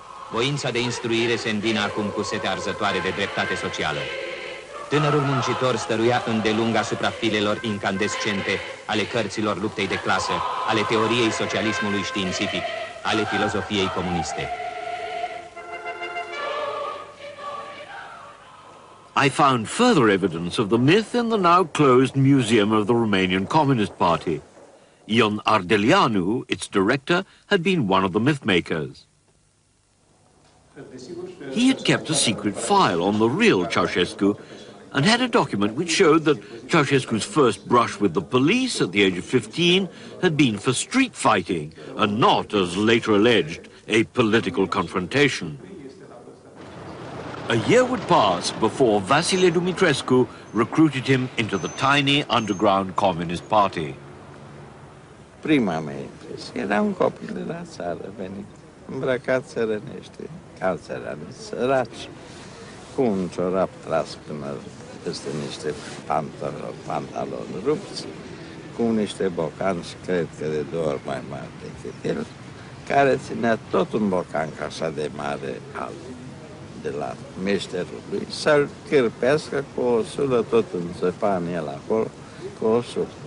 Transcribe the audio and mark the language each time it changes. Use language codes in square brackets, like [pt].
[ro] Voința de instruire se îndină acum cu sete arzătoare de dreptate socială. Tânărul muncitor stăruia îndelung asupra filelor incandescente ale cărților luptei de clasă, ale teoriei socialismului științific, ale filozofiei comuniste. [en] I found further evidence of the myth in the now closed museum of the Romanian Communist Party. Ion Ardelianu, its director, had been one of the mythmakers. He had kept a secret file on the real Ceaușescu and had a document which showed that Ceaușescu's first brush with the police at the age of 15 had been for street fighting and not, as later alleged, a political confrontation. A year would pass before Vasile Dumitrescu recruited him into the tiny underground Communist Party. [ro] Prima mea impresie era un copil de la țară, venit îmbrăcat țărănește, calțărani, săraci, cu un ciorap tras până peste niște pantaloni rupți, cu niște bocanci, cred că de două ori mai mari decât el, care ținea tot un bocan ca așa de mare al de la meșterul lui, să-l cârpească cu o sulă tot în țăpan el acolo, cu o sulă.